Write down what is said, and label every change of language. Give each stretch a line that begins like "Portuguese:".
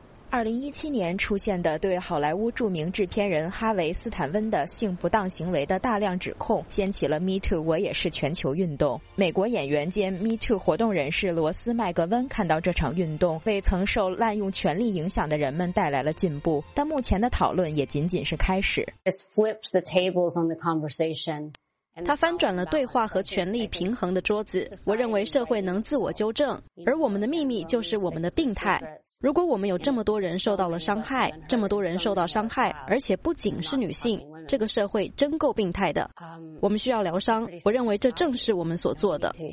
Chinese: 2017年出现的对好莱坞著名制片人哈维·斯坦温的性不当行为的大量指控，掀起了 Me Too 我也是全球运动。美国演员兼 Me Too 活动人士罗斯·麦格温看到这场运动为曾受滥用权力影响的人们带来了进步，但目前的讨论也仅仅是开始。
English: It's flipped the tables on the conversation.
Chinese: 他翻转了对话和权力平衡的桌子。我认为社会能自我纠正，而我们的秘密就是我们的病态。如果我们有这么多人受到了伤害，这么多人受到伤害，而且不仅是女性，这个社会真够病态的。我们需要疗伤，我认为这正是我们所做的。